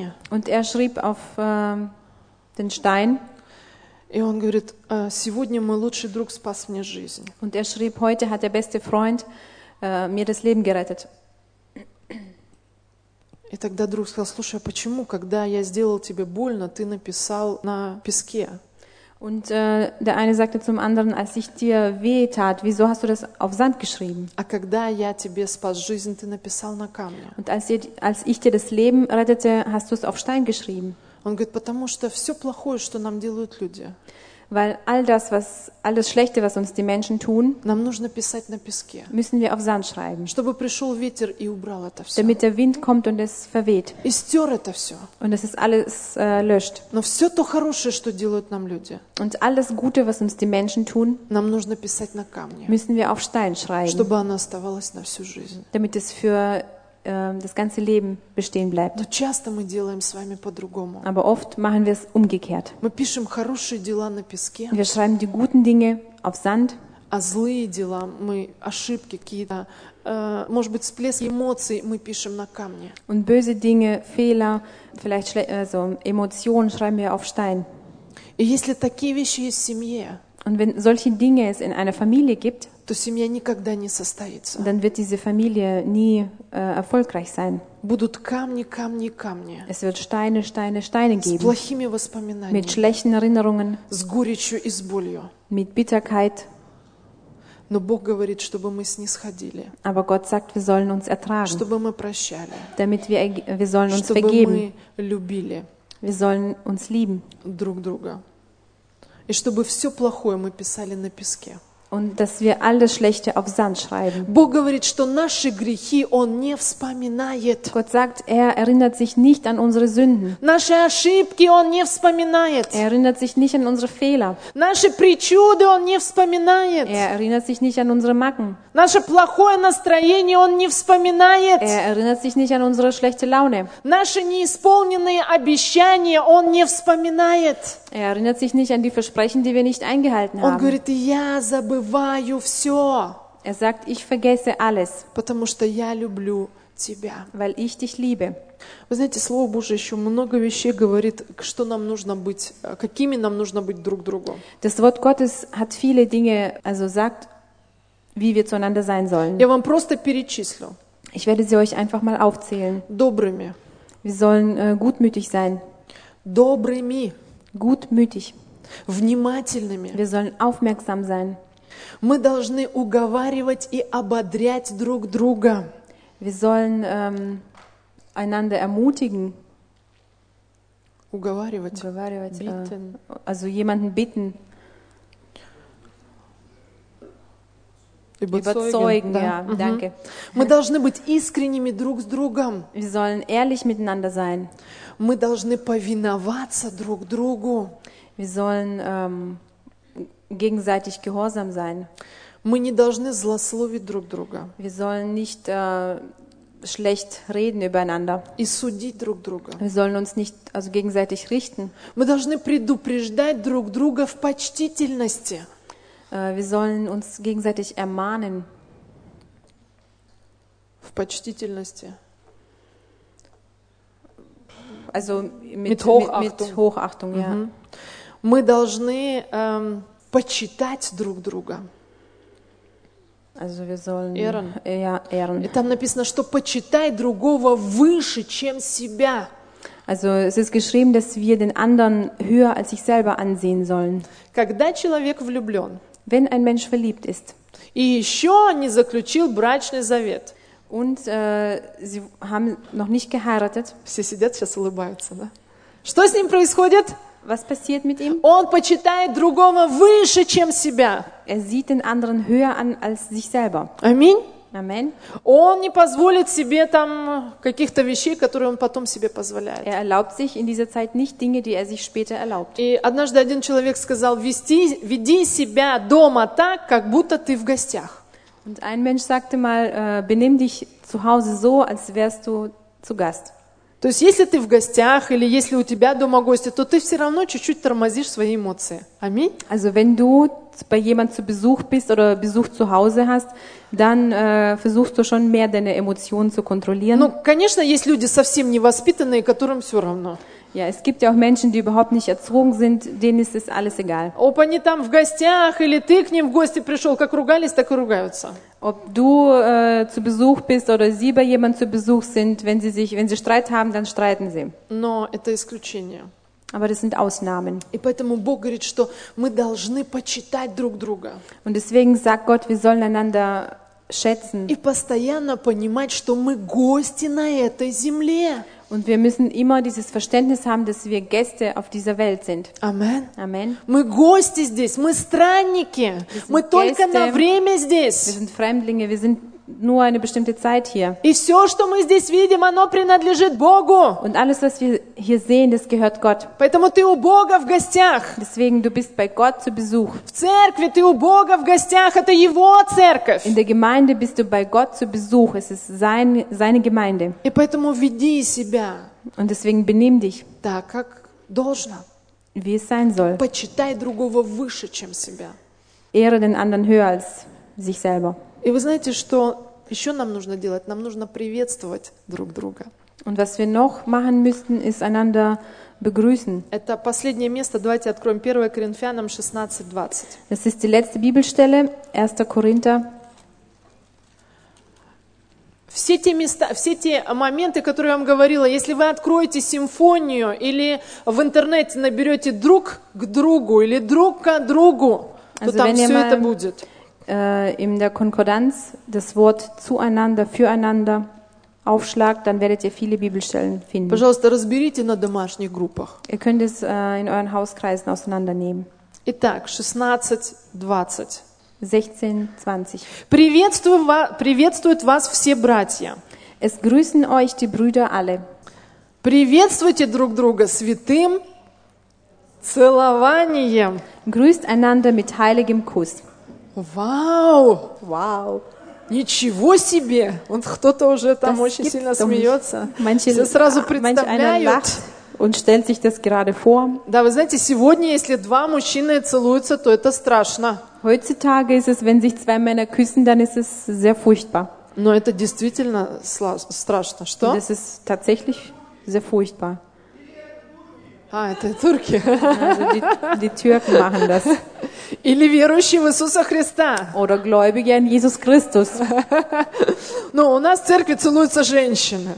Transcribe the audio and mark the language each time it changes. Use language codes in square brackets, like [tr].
[de] Und er schrieb auf den Stein. Und er schrieb, heute hat der beste Freund mir das Leben gerettet. [ru] И тогда друг сказал, слушай, почему, когда я сделал тебе больно, ты написал на песке? [de] Und der eine sagte zum anderen, als ich dir weh tat, wieso hast du das auf Sand geschrieben? [ru] А когда я тебе спас жизнь, ты написал на камне. [de] Und als ich dir das Leben rettete, hast du es auf Stein geschrieben. [ru] Он говорит, потому что все плохое, что нам делают люди. [de] Weil all das, was alles Schlechte, was uns die Menschen tun, [ru] нам нужно писать на песке. [de] Müssen wir auf Sand schreiben. [ru] Чтобы пришел ветер и убрал это все. [de] Damit der Wind kommt und es verweht. [ru] И стер это все. [de] Und es ist alles löscht. [ru] Но все то хорошее, что делают нам люди. [de] Und alles Gute, was uns die Menschen tun, [ru] нам нужно писать на камне. [de] Müssen wir auf Stein schreiben. [ru] Чтобы оно оставалось на всю жизнь. [de] Damit es für das ganze Leben bestehen bleibt. [ru] Но часто мы делаем с вами по-другому. [de] Aber oft machen wir es umgekehrt. [ru] Мы пишем хорошие дела на песке. [de] Wir schreiben die guten Dinge auf Sand. [ru] А злые дела, мы ошибки какие-то, может быть, всплески эмоций мы пишем на камне. [de] Und böse Dinge, Fehler, vielleicht also Emotionen schreiben wir auf Stein. [ru] И если такие вещи есть в семье, [de] Und wenn solche Dinge es in einer Familie gibt, [ru] то семья никогда не состоится. [de] Dann wird diese Familie nie erfolgreich sein. [ru] Будут камни, камни, камни. [de] Es wird Steine, Steine, Steine geben. [ru] С плохими воспоминаниями. [de] Mit schlechten Erinnerungen. [ru] С горечью и с болью. [de] Mit Bitterkeit. [ru] Но Бог говорит, чтобы мы снисходили. [de] Aber Gott sagt, wir sollen uns ertragen. [ru] Чтобы мы прощали. [de] Damit wir sollen uns vergeben. [ru] Чтобы мы любили. [de] Wir sollen uns lieben. [ru] Друг друга. И чтобы все плохое мы писали на песке. [de] Und dass wir alles Schlechte auf Sand schreiben. [ru] Бог говорит, что наши грехи Он не вспоминает. [de] Gott sagt, er erinnert sich nicht an unsere Sünden. [ru] Наши ошибки Он не вспоминает. [de] Er erinnert sich nicht an unsere Fehler. [ru] Наши причуды Он не вспоминает. [de] Er erinnert sich nicht an unsere Macken. [ru] Наше плохое настроение Он не вспоминает. [de] Er erinnert sich nicht an unsere schlechte Laune. [ru] Наши неисполненные обещания Он не вспоминает. [de] Er erinnert sich nicht an die Versprechen, die wir nicht eingehalten haben. [ru] Он говорит, я забываю все. [de] Er sagt, ich vergesse alles. [ru] Потому что я люблю тебя. [de] Weil ich dich liebe. [ru] Вы знаете, Слово Божие еще много вещей говорит, что нам нужно быть, какими нам нужно быть друг другу. [de] Das Wort Gottes hat viele Dinge, also sagt, wie wir zueinander sein sollen. [ru] Я вам просто перечислю. [de] Ich werde sie euch einfach mal aufzählen. [ru] Добрыми. [de] Wir sollen gutmütig sein. [ru] Добрыми. [de] Gutmütig. [ru] Внимательными. [de] Wir sollen aufmerksam sein. [ru] Мы должны уговаривать и ободрять друг друга. [de] Wir sollen einander ermutigen. [ru] Уговаривать. Уговаривать. [de] Bitten. Also jemanden bitten. Überzeugen, ja, danke. [ru] Мы должны быть искренними друг с другом. [de] Wir sollen ehrlich miteinander sein. [ru] Мы должны повиноваться друг другу. [de] Wir sollen gegenseitig gehorsam sein. [ru] Мы не должны злословить друг друга. [de] Wir sollen nicht schlecht reden übereinander. [ru] И судить друг друга. [de] Wir sollen uns nicht also gegenseitig richten. [ru] Мы должны предупреждать друг друга в почтительности. [de] Wir sollen uns gegenseitig ermahnen. [ru] В почтительности. [de] Also mit Hochachtung. Mit Hochachtung, ja. [ru] Мы должны почитать друг друга. [de] Also wir sollen, ehren. Ja, ehren. [ru] И там написано, что почитай другого выше, чем себя. [de] Also es ist geschrieben, dass wir den anderen höher als sich selber ansehen sollen. [ru] Когда человек влюблен. [de] Wenn ein Mensch verliebt ist. [ru] И еще не заключил брачный завет. [de] Und sie haben noch nicht geheiratet. [ru] Все сидят сейчас улыбаются, да? Что с ним происходит? [de] Was passiert mit ihm? [ru] Он почитает другого выше, чем себя. [de] Er sieht den anderen höher an als sich selber. [ru] Аминь. [de] Amen. [ru] Он не позволит себе там каких-то вещей, которые он потом себе позволяет. [de] Er erlaubt sich in dieser Zeit nicht Dinge, die er sich später erlaubt. [ru] И однажды один человек сказал: веди себя дома так, как будто ты в гостях. [de] Und ein Mensch sagte mal: benimm dich zu Hause so, als wärst du zu Gast. [ru] То есть, если ты в гостях или если у тебя дома гости, то ты все равно чуть-чуть тормозишь свои эмоции. Аминь. [de] Also, wenn du bei jemand zu Besuch bist oder Besuch zu Hause hast, dann versuchst du schon mehr deine Emotionen zu kontrollieren. [ru] Ну, конечно, есть люди совсем невоспитанные, которым все равно. [de] Ja, es gibt ja auch Menschen, die überhaupt nicht erzogen sind, denen ist es alles egal. Ob [ru] они там в гостях или ты к ним в гости пришел, как ругались, так и ругаются. [de] Ob du zu Besuch bist oder sie bei jemand zu Besuch sind, wenn sie Streit haben, dann streiten sie. [ru] Но это исключение. [de] Aber das sind Ausnahmen. [ru] И поэтому Бог говорит, что мы должны почитать друг друга. [de] Und deswegen sagt Gott, wir sollen einander schätzen. [ru] И постоянно понимать, что мы гости на этой земле. [de] Und wir müssen immer dieses Verständnis haben, dass wir Gäste auf dieser Welt sind. Amen. Amen. [ru] Мы гости здесь, мы странники. Мы только на время здесь. [de] Wir sind Fremdlinge, wir sind nur eine bestimmte Zeit hier. [ru] И все, что мы здесь видим, оно принадлежит Богу. [de] Und alles, was wir hier sehen, das gehört Gott. [ru] Поэтому ты у Бога в гостях. [de] Deswegen du bist bei Gott zu Besuch. [ru] В церкви ты у Бога в гостях, это Его церковь. [de] In der Gemeinde bist du bei Gott zu Besuch, es ist seine Gemeinde. [ru] И поэтому веди себя. [de] Und deswegen benimm dich. [ru] Так, как должно. [de] Wie es sein soll. [ru] Почитай другого выше, чем себя. [de] Ehre den anderen höher als sich selber. [ru] И вы знаете, что еще нам нужно делать? Нам нужно приветствовать друг друга. [de] Und was wir noch machen müssten, ist einander begrüßen. [ru] Это последнее место. Давайте откроем 1 Коринфянам 16:20. [de] Das ist die letzte Bibelstelle, 1. Korinther. [ru] Все те места, все те моменты, которые я вам говорила, если вы откроете симфонию или в интернете наберете друг к другу или друг к другу, то там все это будет. [de] In der Konkordanz das Wort zueinander, füreinander aufschlagt, dann werdet ihr viele Bibelstellen finden. [ru] Пожалуйста, разберите на домашних группах. [de] Ihr könnt es in euren Hauskreisen auseinandernehmen. [ru] Итак, 16:20. [de] 16:20. [ru] Приветствуют вас все братья. [de] Es grüßen euch die Brüder alle. [ru] Приветствуйте друг друга святым целованием. [de] Grüßt einander mit heiligem Kuss. [ru] Вау! Вау! Ничего себе! Вот кто-то уже там das очень сильно смеется. [de] Manche, [ru] все сразу представляют. [de] Und stellt sich das gerade vor. [ru] Да, вы знаете, сегодня, если два мужчины целуются, то это страшно. [de] Heutzutage ist es, wenn sich zwei Männer küssen, dann ist es sehr furchtbar. [ru] Но это действительно страшно. Что? [de] Das ist tatsächlich sehr furchtbar. [ru] А, это турки. [de] Die Türken machen das. [ru] Или верующие в Иисуса Христа. [de] Oder Gläubige an Jesus Christus. [ru] Но у нас в церкви целуются женщины.